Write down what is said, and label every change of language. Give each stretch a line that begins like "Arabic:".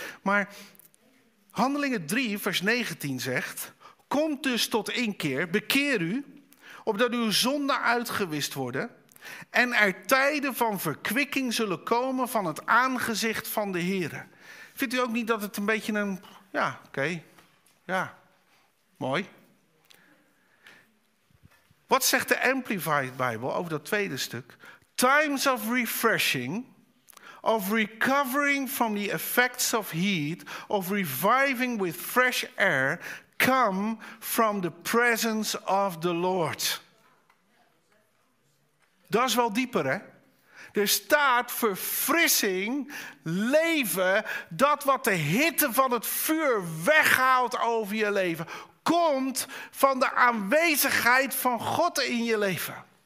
Dutch: Maar Handelingen 3 vers 19 zegt, kom dus tot inkeer, bekeer u, opdat uw zonden uitgewist worden en er tijden van verkwikking zullen komen van het aangezicht van de Here. Vindt u ook niet dat het een beetje een, ja, oké, okay, ja, mooi. Wat zegt de Amplified Bijbel over dat tweede stuk?
English: Times of refreshing, of recovering from the effects of heat, of reviving with fresh air, come from the presence of the Lord.
Dutch: Dat is wel dieper, hè? Er staat verfrissing, leven, dat wat de hitte van het vuur weghaalt over je leven, komt van de aanwezigheid van God in je leven.